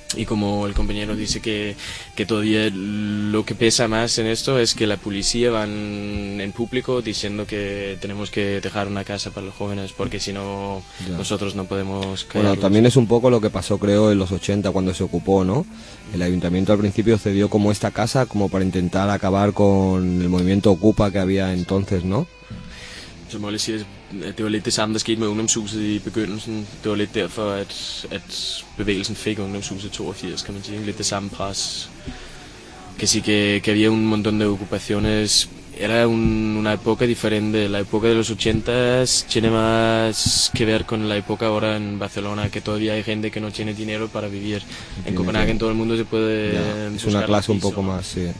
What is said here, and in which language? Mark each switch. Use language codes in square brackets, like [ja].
[es] Y como el compañero dice que todavía lo que pesa más en esto es que la policía van en público diciendo que tenemos que dejar una casa para los jóvenes porque si no, nosotros no podemos callarlos. Bueno, también es un poco lo que pasó, creo, en los 80 cuando se ocupó, ¿no? El ayuntamiento al principio cedió como esta casa como para intentar acabar con el movimiento Ocupa que había entonces. No? [da] Så må jeg sige, at det var lidt det samme, der skete med Ungdomshuset i begyndelsen. Det var lidt derfor, at bevægelsen fik Ungdomshuset 82, kan man sige. Lidt det samme pres. Kan sige, [es] que había un montón de ocupaciones. Era una época diferente. La época de los 80s tiene más que ver con la época ahora en Barcelona, que todavía hay gente que no tiene dinero para vivir. En Copenhague, en todo el mundo se puede. Es una clase un poco más, sí.